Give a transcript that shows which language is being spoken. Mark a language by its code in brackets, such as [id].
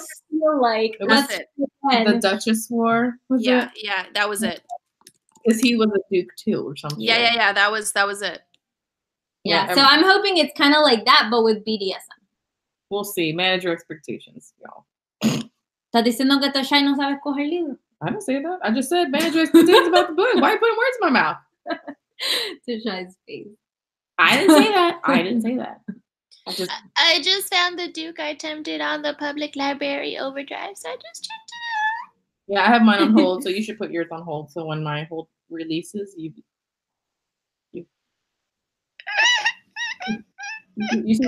[en] Feel like it was it. The Duchess War. Yeah, that was it. Because he was a duke too, or something. Yeah. That was it. Yeah. So I'm hoping it's kind of like that, but with BDSM. We'll see. Manage your expectations, y'all. [es] Está diciendo que tú no sabes coger libro. [en] I didn't say that. I just said manage your expectations about the book. Why are you putting words in my mouth? To Shai's face. I didn't say that. I just found the Duke I tempted on the public library overdrive, so I just checked it out. Yeah, I have mine on hold, so you should put yours on hold, so when my hold releases, you should